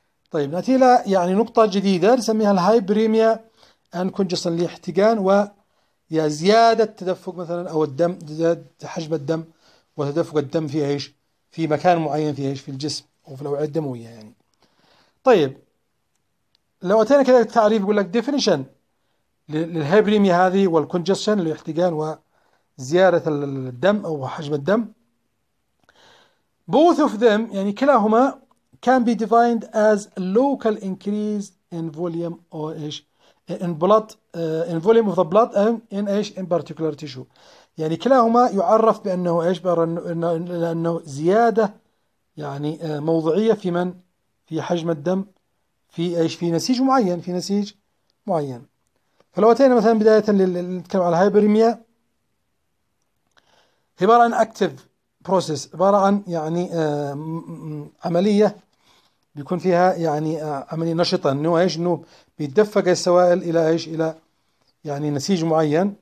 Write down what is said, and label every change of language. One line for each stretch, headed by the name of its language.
Arabic: طيب ناتي الى يعني نقطه جديده نسميها الهايبريميا ان كونجسن، لاحتقان و زياده تدفق مثلا او الدم حجم الدم وتدفق الدم في ايش؟ في مكان معين في ايش؟ في الجسم وفي الأوعية الدموية يعني. طيب لو أتينا كذا التعريف يقول لك ديفينيشن للهيبريميا هذه والكونجستشن الاحتقان وزيادة الدم أو حجم الدم.
English: Both of them
Arabic: يعني كلاهما
English: can be defined as local increase in volume or ايش in blood in volume of the blood and in ايش in particular tissue.
Arabic: يعني كلاهما يعرف بأنه ايش بأنه زيادة يعني موضعية في من في حجم الدم في ايش في نسيج معين في نسيج معين. فلو اتينا مثلا بداية نتكلم على الهايبرميا، عبارة عن اكتف بروسيس، عبارة عن يعني عملية بيكون فيها يعني عملية نشطة انه ايش انه بيتدفق السوائل الى ايش الى يعني نسيج معين.